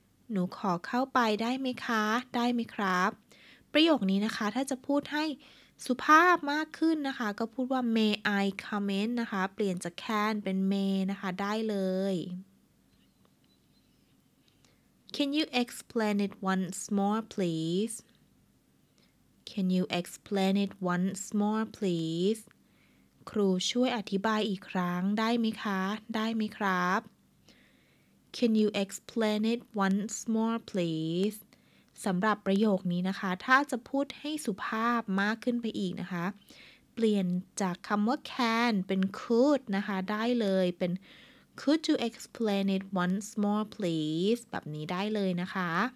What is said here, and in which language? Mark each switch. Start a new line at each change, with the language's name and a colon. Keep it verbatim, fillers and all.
Thai: หนูขอเข้าไปได้ไหมคะได้ไหมครับ ประโยคนี้นะคะถ้าจะพูดให้สุภาพมากขึ้นนะคะก็พูดว่า
English: May I come in
Thai: นะคะเปลี่ยนจาก can เป็น may นะคะได้เลย
English: Can you explain it once more please? Can you explain it once more please?
Thai: ครูช่วยอธิบายอีกครั้งได้ไหมคะได้ไหมครับ
English: Can you explain it once more, please?
Thai: สำหรับประโยคนี้นะคะ ถ้าจะพูดให้สุภาพมากขึ้นไปอีกนะคะ เปลี่ยนจากคำว่า can เป็น could นะคะ ได้เลยเป็น
English: could you explain it once more please
Thai: แบบนี้ได้เลยนะคะ